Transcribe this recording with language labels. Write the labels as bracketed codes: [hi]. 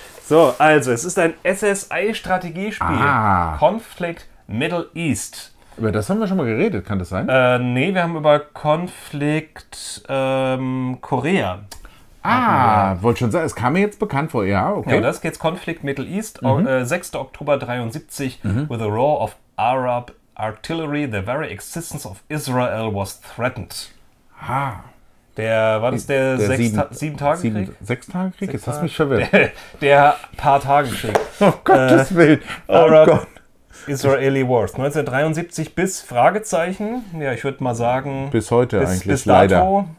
[de] So, also, es ist ein SSI-Strategiespiel. Ah. [en] Conflict Middle East. [de] Über das haben wir schon mal geredet, kann das sein? Nee, wir haben über Konflikt Korea. Ah, wollte schon sagen, es kam mir jetzt bekannt vor, ja, okay. Ja, das ist jetzt Konflikt Middle East, 6. [en] Oktober 73, with the roar of Arab artillery, the very existence of Israel was threatened. Ha. [de] Der, war das der Sieben-Tage-Krieg? Sechs-Tage-Krieg? Jetzt hast du mich verwirrt. Der Paar-Tage-Krieg. Oh Gottes Willen, Israeli Wars, 1973 bis Fragezeichen, ja, ich würde mal sagen, bis heute eigentlich, bis dato.